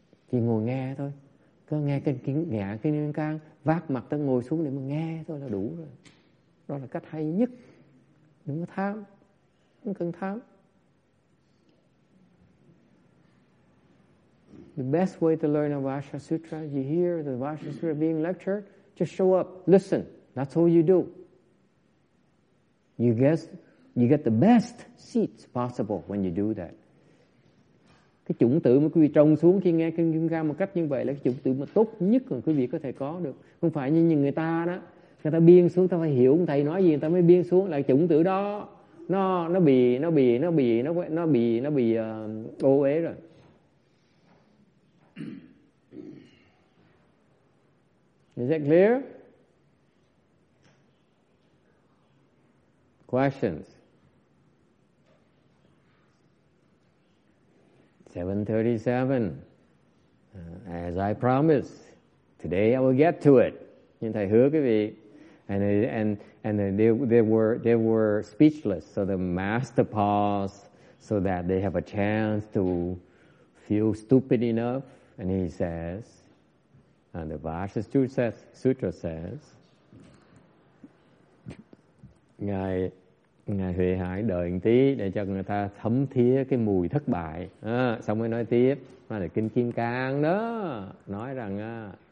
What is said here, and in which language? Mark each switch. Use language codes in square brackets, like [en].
[vi] Chỉ ngồi nghe thôi, cứ nghe cái niên can vác mặt ta ngồi xuống để mà nghe thôi là đủ rồi. Đó là cách hay nhất, đừng có tham, không cần tham. [en] The best way to learn a Vajra Sutra, you hear the Vajra Sutra being lectured, just show up, listen. That's all you do. You get the best seats possible when you do that. [vi] Cái chủng tử mà quý vị trồng xuống khi nghe kinh Kim Cang một cách như vậy là cái chủng tử mà tốt nhất mà quý vị có thể có được. Không phải như người ta đó. Người ta biên xuống, ta phải hiểu ông thầy nói gì, người ta mới biên xuống là chủng tử đó. Nó bị ô uế rồi. [en] Is that clear? Questions? 7:37. As I promised, today I will get to it. [vi] Nhưng thầy hứa quý vị. [en] And they were speechless, so the master paused so that they have a chance to feel stupid enough. And he says, and the Vajra Sutra says, [vi] Ngài Huệ Hải đợi một tí để cho người ta thấm thía cái mùi thất bại. À, xong mới nói tiếp. Nó là Kinh Kim Cang đó. Nói rằng